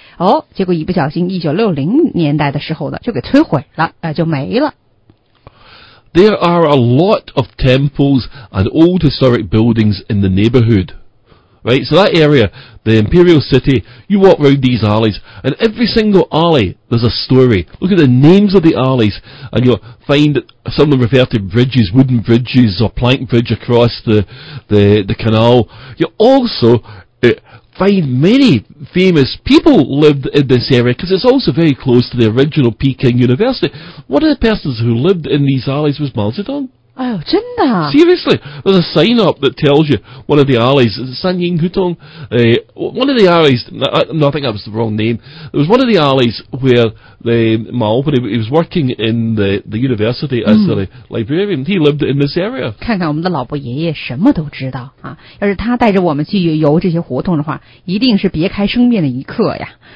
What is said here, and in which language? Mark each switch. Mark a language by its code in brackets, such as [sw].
[zh] 哦，结果一不小心1960年代的时候呢就给摧毁了，就没了。 [en] There are a lot of temples and old historic buildings in the neighborhood. Right, so that area, the Imperial City, you walk around these alleys, and every single alley, there's a story. Look at the names of the alleys, and you'll find some of them refer to bridges, wooden bridges, or plank bridge across the canal. You also find many famous people lived in this area, because it's also very close to the original Peking University. One of the persons who lived in these alleys was Mao Zedong. [zh] Oh, 真的? [en] Seriously, there's a sign up that tells you one of the alleys, San Ying Hutong, one of the alleys, no, I think that was the wrong name, there was one of the alleys where Mao, when he was working in the university as the librarian, he lived in this area. [zh] 看看我们的老伯爷爷什么都知道啊，要是他带着我们去游这些胡同的话，一定是别开生面的一刻呀。